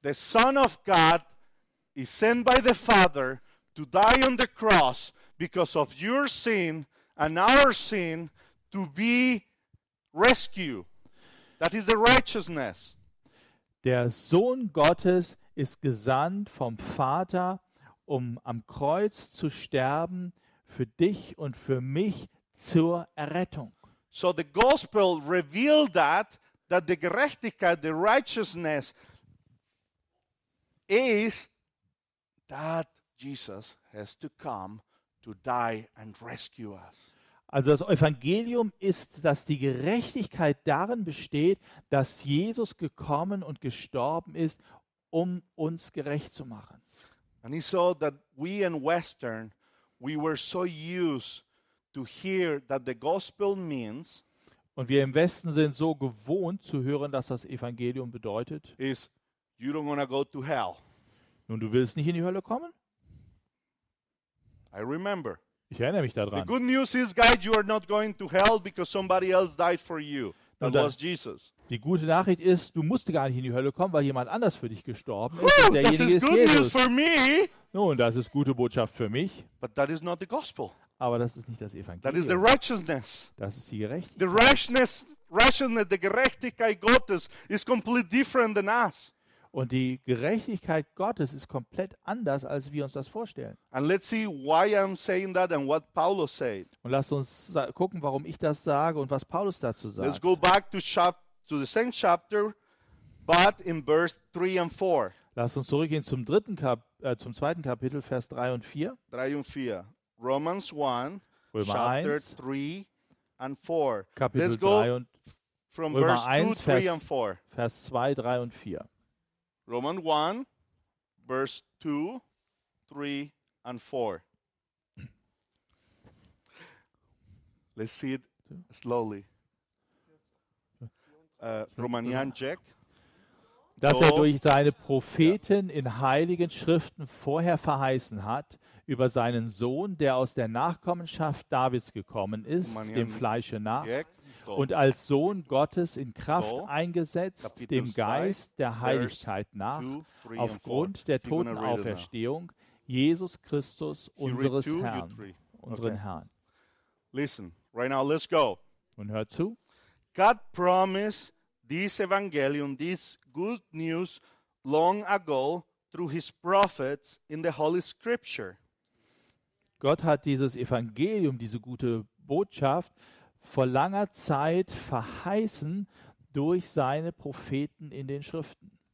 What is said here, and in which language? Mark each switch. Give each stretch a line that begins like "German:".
English: The Son of God is sent by the Father to die on the cross because of your sin and our sin to be rescued. That is the righteousness.
German: Der Sohn Gottes ist gesandt vom Vater, um am Kreuz zu sterben für dich und für mich zur Errettung.
English: So the gospel revealed that that the Gerechtigkeit, the righteousness is that Jesus has to come to die and rescue us.
German: Also das Evangelium ist, dass die Gerechtigkeit darin besteht, dass Jesus gekommen und gestorben ist, um uns gerecht zu machen.
English: And he saw that we in Western, we were so used to hear that the gospel means.
German: Und wir im Westen sind so gewohnt zu hören, dass das Evangelium bedeutet.
English: Is you don't want to go to hell.
German: Nun, du willst nicht in die Hölle kommen?
English: I remember.
German: Ich erinnere mich daran.
English: The good news is, guys, you are not going to hell because somebody else died for you. That was Jesus.
German: Die gute Nachricht ist, du musst gar nicht in die Hölle kommen, weil jemand anders für dich gestorben ist. Und derjenige ist Jesus. Nun, das ist gute Botschaft für mich.
English: But that is not the gospel.
German: Aber das ist nicht das Evangelium.
English: That is the righteousness.
German: Das ist die Gerechtigkeit.
English: The righteousness, the Gerechtigkeit Gottes is completely different than us.
German: Und die Gerechtigkeit Gottes ist komplett anders, als wir uns das vorstellen.
English: And let's see why I'm saying that and what Paulus said.
German: Und lasst uns gucken, warum ich das sage und was Paulus dazu sagt.
English: Let's go back to the same chapter, but in verse 3 and 4.
German: Lasst uns zurückgehen zum dritten zum zweiten Kapitel, Vers 3 und 4. 3 und 4. Romans 1, Römer
English: chapter 1, 3 and 4.
German: Kapitel
English: let's go
German: 3 und
English: from Römer verse 1, 2, 3 and 4.
German: Vers 2, 3 und 4.
English: Romans 1, verse 2, 3, and 4. Let's see it slowly. Romanian Jack.
German: Dass er durch seine Propheten in heiligen Schriften vorher verheißen hat, über seinen Sohn, der aus der Nachkommenschaft Davids gekommen ist, Romanian dem Fleische nach, Jack. Und als Sohn Gottes in Kraft eingesetzt, Kapitel dem Geist der Heiligkeit nach, aufgrund der Totenauferstehung, Jesus Christus, unseres Herrn, unseren Herrn.
English: Listen, right now, let's go.
German: Und hört zu.
English: God promised this Evangelium, this good news, long ago through his prophets in the Holy Scripture.
German: Gott hat dieses Evangelium, diese gute Botschaft, vor langer Zeit verheißen durch seine Propheten in den Schriften.